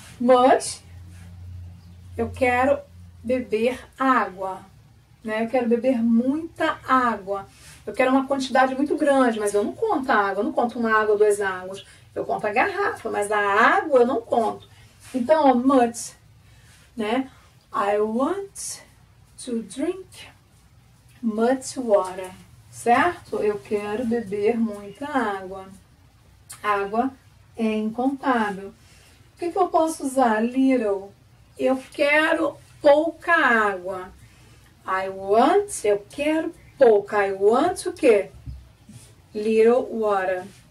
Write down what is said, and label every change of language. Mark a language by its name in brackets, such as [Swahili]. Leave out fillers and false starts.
[Portuguese] Much, eu quero beber água, né? Eu quero beber muita água. Eu quero uma quantidade muito grande, mas eu não conto a água, eu não conto uma água, duas águas. Eu conto a garrafa, mas a água eu não conto. Então, much, né? [English] I want to drink much water, certo? [Portuguese] Eu quero beber muita água. Água é incontável. O que que eu posso usar? Little. Eu quero pouca água. [English] I want, [Portuguese] eu quero pouca. [English] I want o quê? Little water.